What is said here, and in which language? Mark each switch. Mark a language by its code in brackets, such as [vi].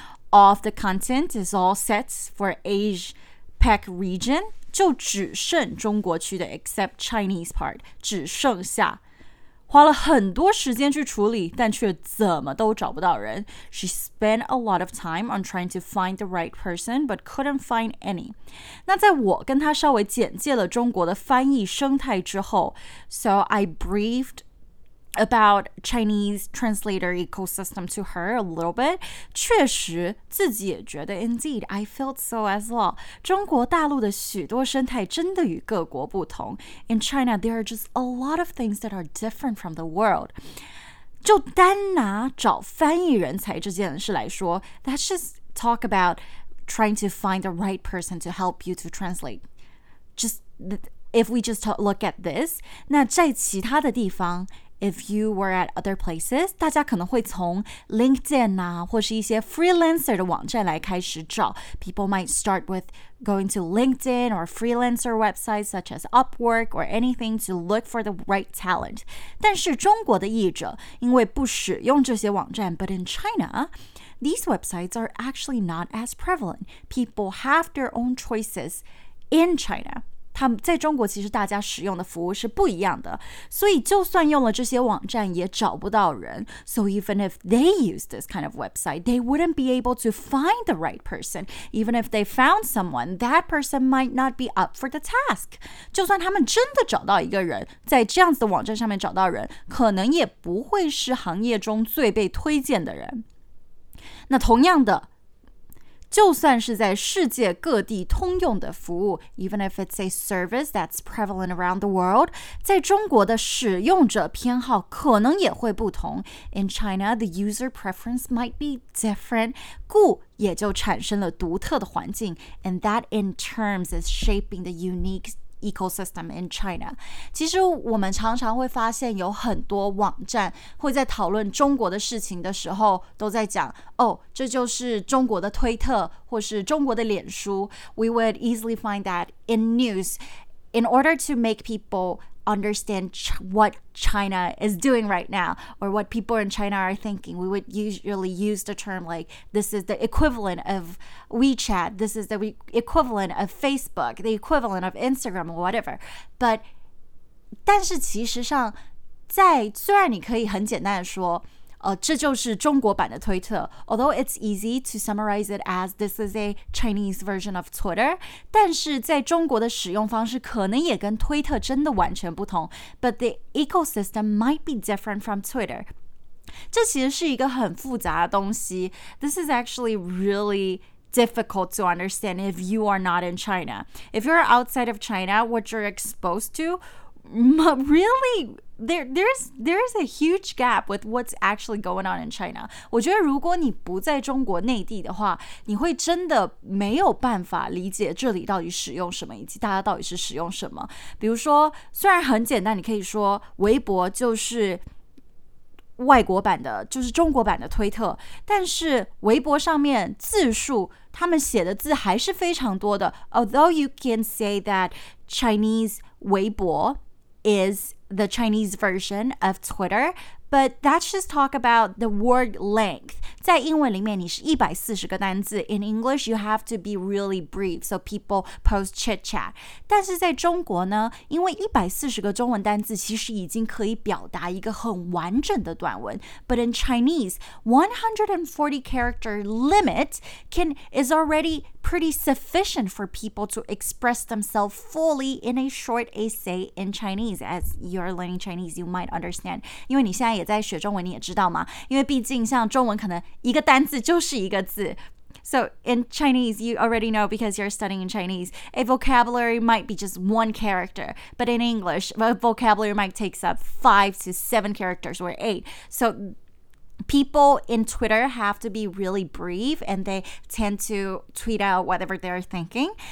[en] All of the content is all set for APAC region. [zh] 就只剩中国区的, [en] except Chinese part, [zh] 只剩下。花了很多时间去处理，但却怎么都找不到人。 [en] She spent a lot of time on trying to find the right person, but couldn't find any. [zh] 那在我跟她稍微简介了中国的翻译生态之后, [en] so I briefed about Chinese translator ecosystem to her a little bit. [zh] 确实自己也觉得, [en] indeed, I felt so as well. [zh] 中国大陆的许多生态真的与各国不同。 [en] In China, there are just a lot of things that are different from the world. [zh] 就单拿找翻译人才这件事来说, [en] let's just talk about trying to find the right person to help you to translate. If we just look at this, [zh] 那在其他的地方, [en] If you were at other places, [zh] 大家可能会从 LinkedIn 啊或是一些 freelancer 的网站来开始找。 [en] People might start with going to LinkedIn or freelancer websites such as Upwork or anything to look for the right talent. [zh] 但是中国的译者因为不使用这些网站 [en] but in China, these websites are actually not as prevalent. People have their own choices in China. [zh] 他们在中国其实大家使用的服务是不一样的，所以就算用了这些网站也找不到人。 [en] So even if they use this kind of website, they wouldn't be able to find the right person. Even if they found someone, that person might not be up for the task. [zh] 就算他们真的找到一个人，在这样子的网站上面找到人，可能也不会是行业中最被推荐的人。那同样的就算是在世界各地通用的服务 [en] even if it's a service that's prevalent around the world, [zh] 在中国的使用者偏好可能也会不同。 [en] In China, the user preference might be different, [zh] 故也就产生了独特的环境 [en] and that in terms is shaping the unique ecosystem in China. [zh] 其实我们常常会发现有很多网站会在讨论中国的事情的时候都在讲哦，这就是中国的推特或是中国的脸书。 [en] We would easily find that in news in order to make people understand what China is doing right now or what people in China are thinking. We would usually use the term like this is the equivalent of WeChat, this is the equivalent of Facebook, the equivalent of Instagram or whatever. But [zh] 但是其实上在虽然你可以很简单的说这就是中国版的推特 [en] although it's easy to summarize it as this is a Chinese version of Twitter [zh] 但是在中国的使用方式可能也跟推特真的完全不同 [en] but the ecosystem might be different from Twitter [zh] 这其实是一个很复杂的东西 [en] this is actually really difficult to understand if you are not in China if you're outside of China what you're exposed to really There's a huge gap with what's actually going on in China. [zh] 我觉得如果你不在中国内地的话，你会真的没有办法理解这里到底使用什么，以及大家到底是使用什么。比如说，虽然很简单，你可以说微博就是外国版的，就是中国版的推特，但是微博上面字数，他们写的字还是非常多的。 [en] Although you can say that Chinese 微博 is the Chinese version of Twitter, but that's just talk about the word length. [zh] 在英文里面你是140个单字 [en] in English you have to be really brief, so people post chit-chat. [zh] 但是在中国呢因为140个中文单字其实已经可以表达一个很完整的短文 [en] but in Chinese, 140 character limit is already pretty sufficient for people to express themselves fully in a short essay in Chinese. As you're learning Chinese, you might understand. [zh] 因为你现在也在学中文，你也知道嘛。因为毕竟像中文可能一个单字就是一个字。 [en] So in Chinese, you already know because you're studying in Chinese, a vocabulary might be just one character. But in English, a vocabulary might take up 5 to 7 characters or 8. So people in Twitter have to be really brief and they tend to tweet out whatever they're thinking.